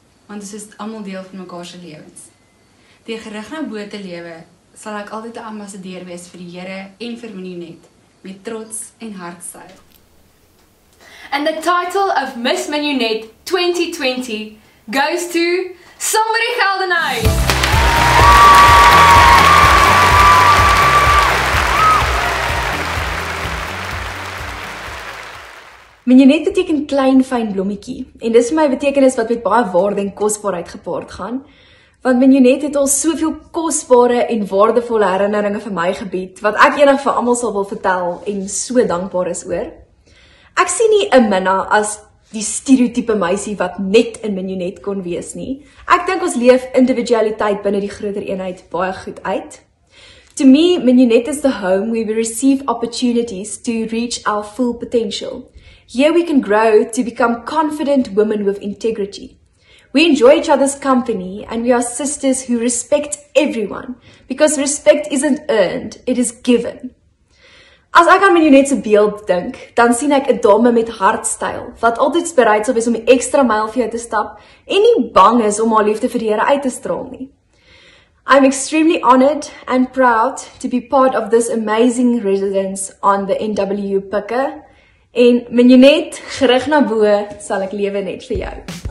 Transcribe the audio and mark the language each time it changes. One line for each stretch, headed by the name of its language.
Afrikaans: Want dit is allemaal deel van mekaar se lewens. Deur gerig na bo te lewe, sal ek altyd 'n ambassadeur wees vir die Here en vir Minionet, met trots en hartstyl.
English: And the title of Miss Minionet 2020 goes to Somebody Geldenhuys.
Afrikaans: Minionet beteken klein fyn blommetjie en dis vir my betekenis wat met baie waarde en kosbaarheid gepaard gaan. Want Minionet het al soveel kosbare en waardevolle herinneringe vir my gebied, wat ek enig vir almal sal wil vertel en so dankbaar is oor. Ek sien nie 'n Minna as die stereotype meisie wat net in Minionet kon wees nie. Ek dink ons leef individualiteit binne die groter eenheid baie goed uit.
English: To me, Minionet is the home where we receive opportunities to reach our full potential. Here we can grow to become confident women with integrity. We enjoy each other's company and we are sisters who respect everyone because respect isn't earned, it is given.
Afrikaans: As ek aan Minionet se beeld dink, dan sien ek 'n dame met hartstyl wat altyd bereid sou wees om 'n ekstra myl vir jou te stap en nie bang is om haar liefde vir die Here uit te straal nie.
English: I'm extremely honored and proud to be part of this amazing residence on the NW Pikke en Minionet,
Afrikaans: gerig na bo, sal ek lewe net vir jou.